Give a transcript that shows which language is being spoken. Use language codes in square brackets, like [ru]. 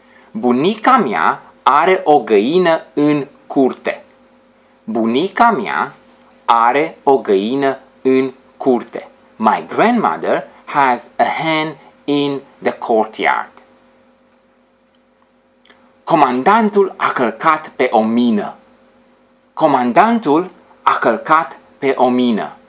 [ro] Bunica mea are o găină în curte. Bunica mea are o găină în curte. [en] My grandmother has a hen in the courtyard. [ro] Comandantul a călcat pe o mină. Comandantul a călcat pe o mină.